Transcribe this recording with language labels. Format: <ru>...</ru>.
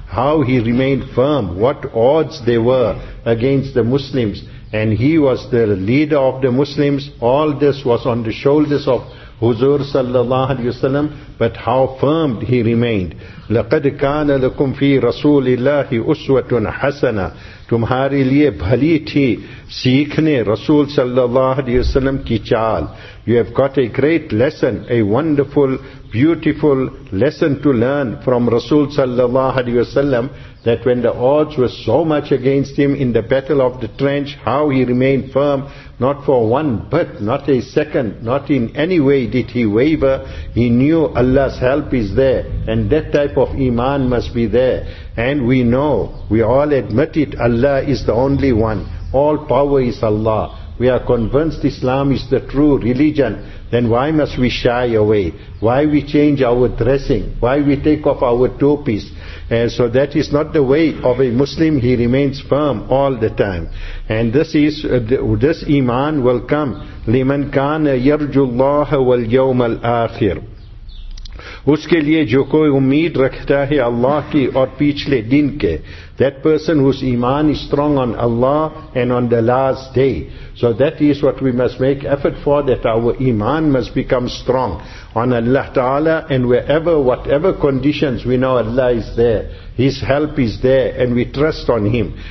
<en>How he remained firm, what odds there were against the Muslims, and he was the leader of the Muslims. All this was on the shoulders of Huzur sallallahu alaihi wasallam, but how firm he remained.</en> <ar>لَقَدْ كَانَ لَكُمْ فِي رَسُولِ اللَّهِ أُسْوَةٌ حَسَنَةٌ.</ar> <ur>تمہارے لئے بھلی تھی سیکھنے رسول صلی اللہ علیہ وسلم کی چال.</ur> <en>You have got a great lesson, a wonderful, beautiful lesson to learn from Rasul صلی اللہ علیہ وسلم, that when the odds were so much against him in the battle of the trench, how he remained firm, not for one but not a second, not in any way did he waver. He knew Allah's help is there, and that type of Iman must be there. And we know, we all admit it, Allah is the only one. All power is Allah. We are convinced Islam is the true religion. Then why must we shy away? Why we change our dressing? Why we take off our topis? So that is not the way of a Muslim. He remains firm all the time. And this Iman will come.</en> <ar>لِمَنْ كَانَ يَرْجُ اللَّهَ وَالْيَوْمَ الْآخِرِ.</ar> <ur>اس کے لئے جو کوئی امید رکھتا ہے اللہ کی اور پیچھلے دن کے.</ur> <en>That person whose Iman is strong on Allah and on the last day. So that is what we must make effort for, that our Iman must become strong on Allah Ta'ala, and wherever, whatever conditions, we know Allah is there, His help is there, and we trust on Him.</en>